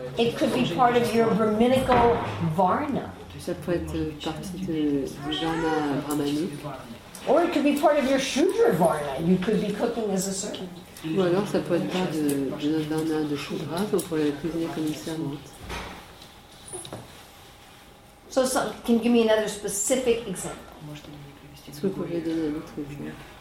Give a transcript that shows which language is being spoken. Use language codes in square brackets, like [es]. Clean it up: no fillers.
[en] It could be part of your brahminical varna. [fr] Ça peut être partie de varna brahmanique. [en] Or it could be part of your shudra varna. You could be cooking as a servant. [fr] Ou alors ça peut être pas de notre varna de shudra, on pourrait cuisiner comme une servante. [en] So, can you give me another specific example? [fr] Est-ce que vous pouvez donner un autre exemple?